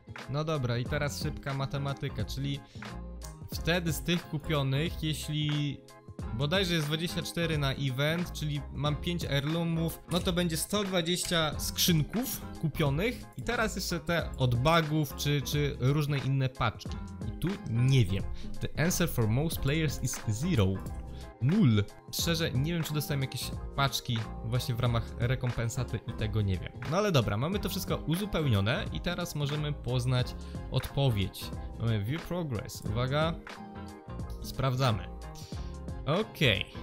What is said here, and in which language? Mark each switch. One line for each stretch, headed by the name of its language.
Polish: No dobra, i teraz szybka matematyka, czyli wtedy z tych kupionych, jeśli bodajże jest 24 na event, czyli mam 5 heirloomów, no to będzie 120 skrzynków kupionych. I teraz jeszcze te od bugów czy różne inne paczki. I tu nie wiem.
English: The answer for most players is zero. Nul.
Polish: Szczerze nie wiem, czy dostałem jakieś paczki właśnie w ramach rekompensaty i tego nie wiem. No ale dobra, mamy to wszystko uzupełnione i teraz możemy poznać odpowiedź. Mamy view progress. Uwaga. Sprawdzamy. Okej, okay.